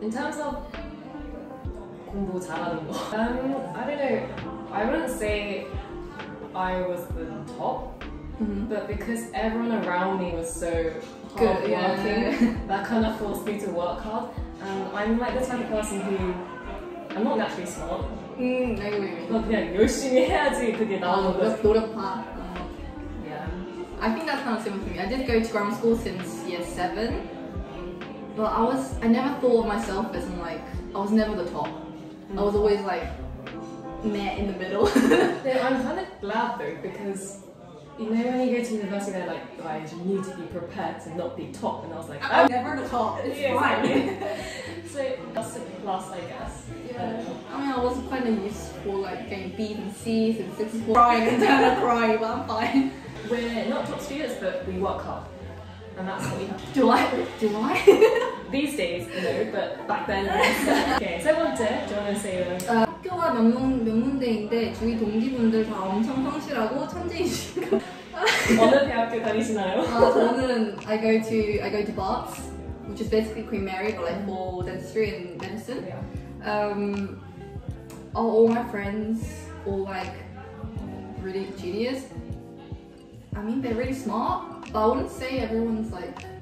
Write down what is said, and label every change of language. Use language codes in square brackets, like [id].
[en] In terms of [ko] 공부 잘하는 거. [en] I don't know. I wouldn't say I was the top. Mm-hmm. But because everyone around me was so good working, that kind of forced me to work hard. I'm like the type of person who I'm not naturally smart. [ko] 아니면 그냥 열심히 해야지 그게 나오는 거. 노력한. [en] Yeah. I think that's kind of similar for me. I did go to grammar school since year 7, but I never thought of myself as in like I was never the top. Mm. I was always like meh in the middle. Yeah, I'm kind of glad though because. You know when you go to university they're like, guys, you need to be prepared to not be top. And I was like, I'm never the top, it's fine. Exactly. So that's a plus, I guess. Yeah. I mean, I was kind of useful, like getting B and C since 6th form. Crying, internal crying, but I'm fine. We're not top students, but we work hard. And that's what we have to do. Do I? These days, no, but back then, yes. Okay, so what do you want to say? [ko] 학교가 명문대인데 주위 동기분들 다 엄청 성실하고 천재이신가? 어느 대학교 다니시나요? 아 저는 [en] I go to Barts, which is basically Queen Mary but like for dentistry and medicine. Yeah. All my friends all like really genius. I mean they're really smart, but I wouldn't say everyone's like.